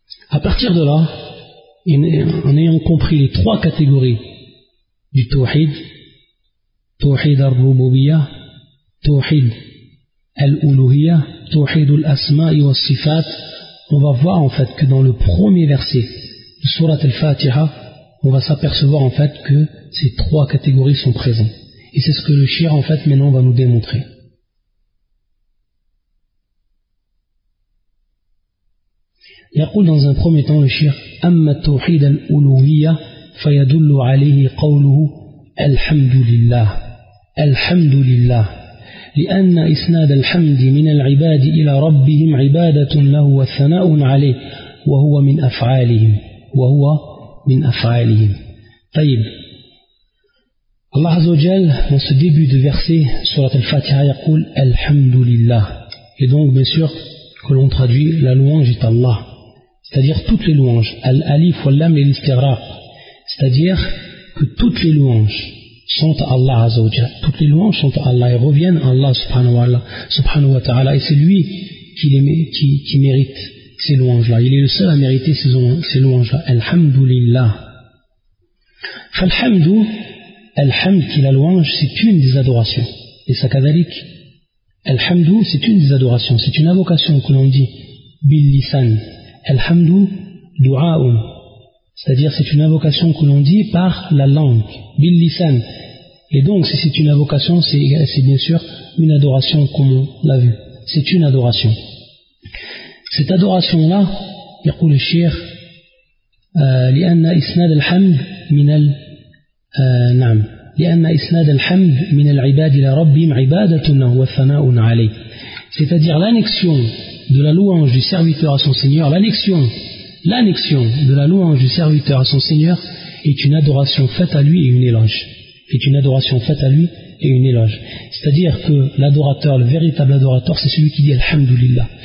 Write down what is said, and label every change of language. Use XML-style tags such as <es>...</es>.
<fr>À partir de là, en ayant compris les trois catégories du tawhid, tawhid al-rububiyya, tawhid al-uluhiyya, tawhid al-asma'i wa sifat, on va voir en fait que dans le premier verset de surat al-fatiha, on va s'apercevoir en fait que ces trois catégories sont présentes. Et c'est ce que le shir en fait maintenant va nous démontrer.</fr> <ar>يقول</ar> <fr>dans un premier temps le shir,</fr> <ar>أما التوحيد الألوهية فيدل عليه قوله الحمد لله الحمد لله لأن إسناد الحمد من العباد إلى ربهم عبادة له وثناء عليه وهو من أفعالهم وهو من أفعالهم. طيب الله عز وجل</ar> <fr>dans ce début de verset</fr> <ar>سورة الفاتحة يقول الحمد لله.</ar> <fr>Et donc bien sûr que l'on traduit la louange est Allah. C'est-à-dire toutes les louanges, al-alif wal-lam et l'istighraq. C'est-à-dire que toutes les louanges sont à Allah Azza wa Jalla. Toutes les louanges sont à Allah et reviennent à Allah subhanahu wa ta'ala. Et c'est lui qui mérite ces louanges-là. Il est le seul à mériter ces louanges-là. Alhamdulillah. Falhamdu, alhamd qui est la louange, c'est une des adorations. Et ça kadhalik. Alhamdu, c'est une des adorations. C'est une invocation que l'on dit bil-lisan. Alhamdu du'a'un, c'est-à-dire c'est une invocation que l'on dit par la langue, bil lisan. Et donc si c'est une invocation, c'est bien sûr une adoration comme on l'a vu. C'est une adoration. Cette adoration-là,</fr> <ar>يقول الشيخ لأن إسناد الحمد من ال نعم لأن إسناد الحمد من العباد إلى ربهم عبادة له والثناء عليه.</ar> <fr>C'est-à-dire l'annexion de la louange du serviteur à son Seigneur, l'annexion de la louange du serviteur à son Seigneur est une adoration faite à lui et une éloge. Est une adoration faite à lui et une éloge. C'est-à-dire que l'adorateur, le véritable adorateur, c'est celui qui dit Alhamdulillah.</fr>